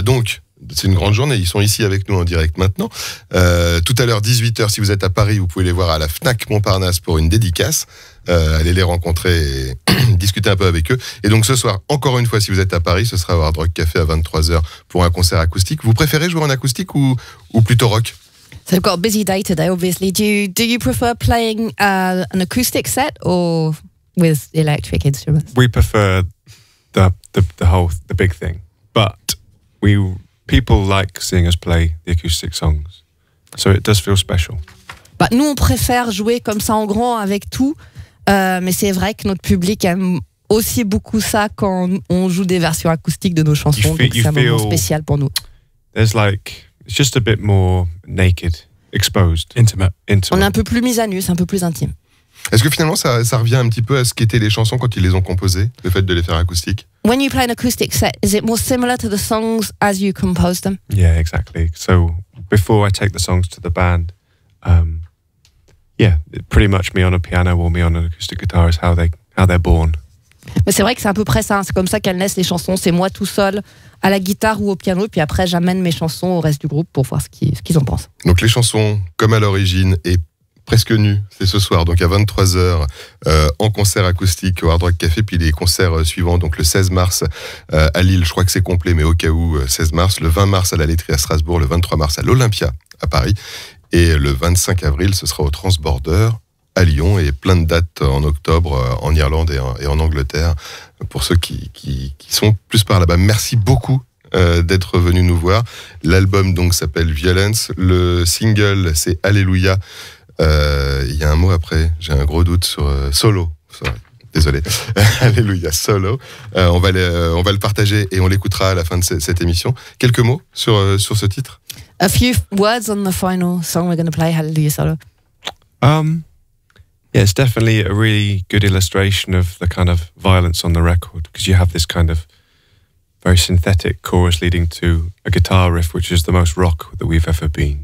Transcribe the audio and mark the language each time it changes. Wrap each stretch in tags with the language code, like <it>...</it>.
<fr>Donc, c'est une grande journée. Ils sont ici avec nous en direct maintenant. Tout à l'heure, 18h, si vous êtes à Paris, vous pouvez les voir à la FNAC Montparnasse pour une dédicace. Allez les rencontrer et discuter un peu avec eux. Et donc ce soir, encore une fois, si vous êtes à Paris, ce sera au Hard Rock Café à 23h pour un concert acoustique. Vous préférez jouer en acoustique ou plutôt rock?</fr> <en>So we've got a busy day today, obviously. Do you prefer playing an acoustic set or with electric instruments? We prefer the whole, the big thing. But people like seeing us play the acoustic songs. So it does feel special.</en> <fr>Bah, nous, on préfère jouer comme ça en grand avec tout. Mais c'est vrai que notre public aime aussi beaucoup ça quand on joue des versions acoustiques de nos chansons. Donc c'est un moment spécial pour nous.</fr> <en>There's like, it's just a bit more naked, exposed, intimate.</en> <fr>On est un peu plus mis à nu, c'est un peu plus intime. Est-ce que finalement ça revient un petit peu à ce qu'étaient les chansons quand ils les ont composées, le fait de les faire acoustiques?</fr> <en>When you play an acoustic set, is it more similar to the songs as you compose them? Yeah, exactly. So before I take the songs to the band, yeah, pretty much me on a piano or me on an acoustic guitar is how they're born.</en> <fr>Mais c'est vrai que c'est à peu près ça. C'est comme ça qu'elles naissent les chansons. C'est moi tout seul à la guitare ou au piano, puis après j'amène mes chansons au reste du groupe pour voir ce qu'ils en pensent. Donc les chansons, comme à l'origine, et presque nues, c'est ce soir, donc à 23h en concert acoustique au Hard Rock Café, puis les concerts suivants, donc le 16 mars à Lille, je crois que c'est complet, mais au cas où, 16 mars, le 20 mars à la Laiterie à Strasbourg, le 23 mars à l'Olympia à Paris. Et le 25 avril, ce sera au Transborder à Lyon et plein de dates en octobre en Irlande et en Angleterre pour ceux qui sont plus par là-bas. Merci beaucoup d'être venu nous voir. L'album donc s'appelle Violence. Le single, c'est Alléluia. Il y a un mot après, j'ai un gros doute sur Solo. Sorry. Désolé. Alléluia, Solo. On va le partager et on l'écoutera à la fin de cette émission. Quelques mots sur ce titre?</fr> <en>A few words on the final song we're going to play, Alléluia, Solo. Yeah, it's definitely a really good illustration of the kind of violence on the record, because you have this kind of very synthetic chorus leading to a guitar riff, which is the most rock that we've ever been.</en>